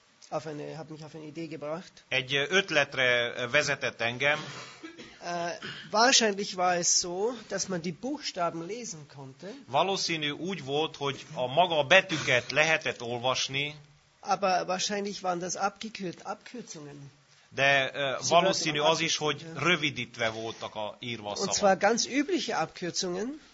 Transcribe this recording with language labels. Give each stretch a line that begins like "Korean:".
German: Hat mich auf eine Idee gebracht.
Hungarian: Egy ötletre vezetett engem.
German: Wahrscheinlich war es so, dass man die Buchstaben lesen konnte.
Hungarian: Valószínű úgy volt, hogy a maga betűket lehetett olvasni.
German: Aber wahrscheinlich waren das Abkürzungen.
Hungarian: De valószínű az is, hogy rövidítve voltak a írva szavak.
German: Und zwar ganz übliche Abkürzungen.